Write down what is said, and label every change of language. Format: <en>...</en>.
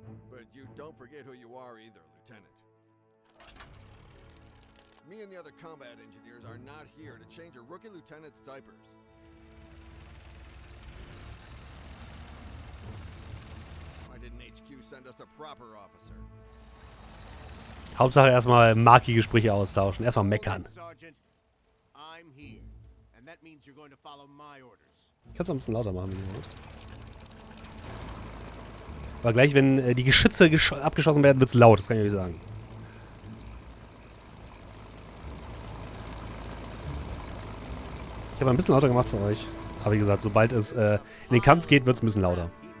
<en>But you don't forget who you are either, Lieutenant. Me and the other combat engineers are not here to change a rookie lieutenant's diapers. Didn't HQ send us a proper officer?</en> <de>Hauptsache erstmal Maki-Gespräche austauschen, erstmal meckern.</de> <en>Sergeant, I'm here, and that means you're going to follow my orders.</en> <de>Kannst du ein bisschen lauter machen, ne? Aber gleich, wenn die Geschütze abgeschossen werden, wird's laut, das kann ich euch sagen. Ich habe ein bisschen lauter gemacht für euch. Aber wie gesagt, sobald es in den Kampf geht, wird's ein bisschen lauter.</de>